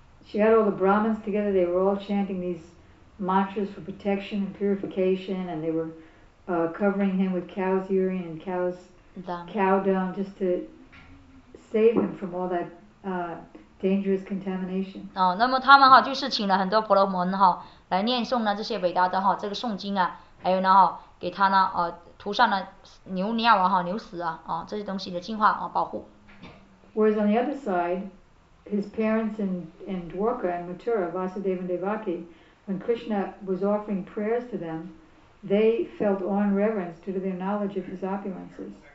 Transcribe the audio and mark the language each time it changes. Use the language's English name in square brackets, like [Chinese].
[English] She had all the Brahmins together. They were all chanting these mantras for protection and purification, and they were covering him with cow's urine and cow dung just to save him from all that dangerous contamination. [Chinese] 那么他们就是请了很多婆罗门来念诵呢这些伟大的这个诵经啊，还有呢给他呢涂上了牛尿啊牛屎啊这些东西的净化保护。 [English] Whereas on the other side, his parents in Dwarka and Mathura, Vasudeva and Devaki, when Krishna was offering prayers to them, they felt awe and reverence due to their knowledge of his opulences.